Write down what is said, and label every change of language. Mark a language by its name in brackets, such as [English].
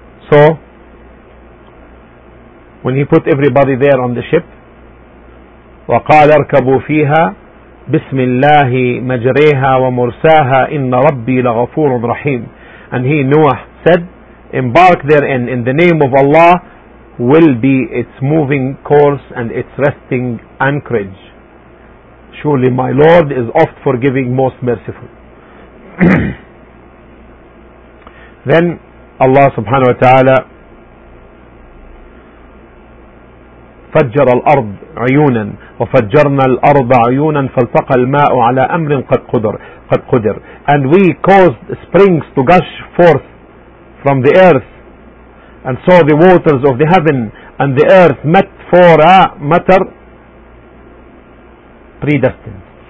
[English] So, when he put everybody there on the ship, [Arabic] وَقَالَ اَرْكَبُوا فِيهَا بِسْمِ اللَّهِ مَجْرَيْهَا وَمُرْسَاهَا إِنَّ رَبِّي لَغَفُورٌ رَحِيمٌ. [English] And he, Noah, said, embark therein, in the name of Allah will be its moving course and its resting anchorage. Surely my Lord is oft forgiving, most merciful. Then Allah subhanahu wa ta'ala [Arabic] فَجَّرَ الْأَرْضِ عُيُونًا وَفَجَّرْنَا الْأَرْضَ عُيُونًا فَالْتَقَى الْمَاءُ عَلَىٰ أَمْرٍ قَدْ قُدِرْ. [English] And we caused springs to gush forth from the earth, and saw the waters of the heaven and the earth met for a matter predestined.